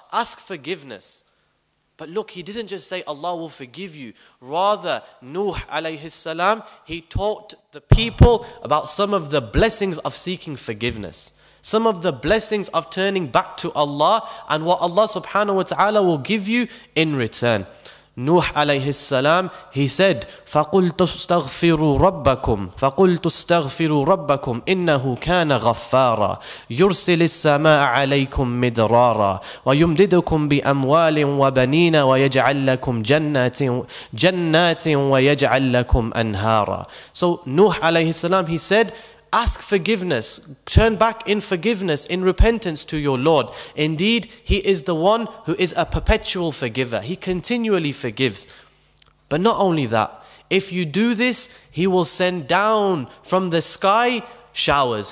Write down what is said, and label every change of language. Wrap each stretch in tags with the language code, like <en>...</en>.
<en>Ask forgiveness. But look, he didn't just say Allah will forgive you. Rather, Nuh alayhi salam, he taught the people about some of the blessings of seeking forgiveness. Some of the blessings of turning back to Allah and what Allah subhanahu wa ta'ala will give you in return. Nuh alayhi salam, he said,</en> <ar>فَقُلْتُ اسْتَغْفِرُوا رَبَّكُمْ فَقُلْتُ اسْتَغْفِرُوا رَبَّكُمْ إِنَّهُ كَانَ غَفَّارًا يُرْسِلِ السَّمَاءَ عَلَيْكُمْ مِدْرَارًا وَيُمْدِدُكُمْ بِأَمْوَالٍ وَبَنِينَ وَيَجْعَلْ لَكُمْ جَنَّاتٍ وَيَجْعَلْ لَكُمْ أَنْهَارًا.</ar> <en>So Nuh alayhi salam, he said, ask forgiveness, turn back in forgiveness, in repentance to your Lord. Indeed, He is the one who is a perpetual forgiver. He continually forgives. But not only that, if you do this, He will send down from the sky showers.</en>